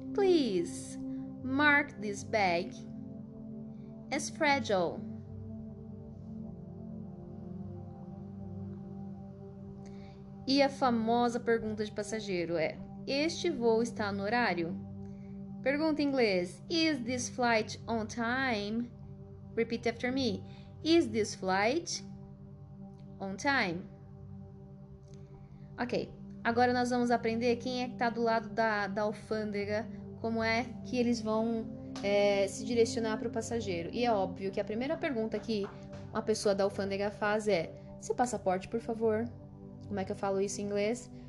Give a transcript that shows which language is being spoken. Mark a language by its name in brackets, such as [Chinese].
[English] Please mark this bag as fragile. [Portuguese] E a famosa pergunta de passageiro é, este voo está no horário? Pergunta em inglês, [English] is this flight on time? Repeat after me, is this flight on time? [Portuguese] Ok, agora nós vamos aprender quem é que está do lado da alfândega, como é que eles vão se direcionar para o passageiro. E é óbvio que a primeira pergunta que a pessoa da alfândega faz é, seu passaporte, por favor? Como é que eu falo isso em inglês?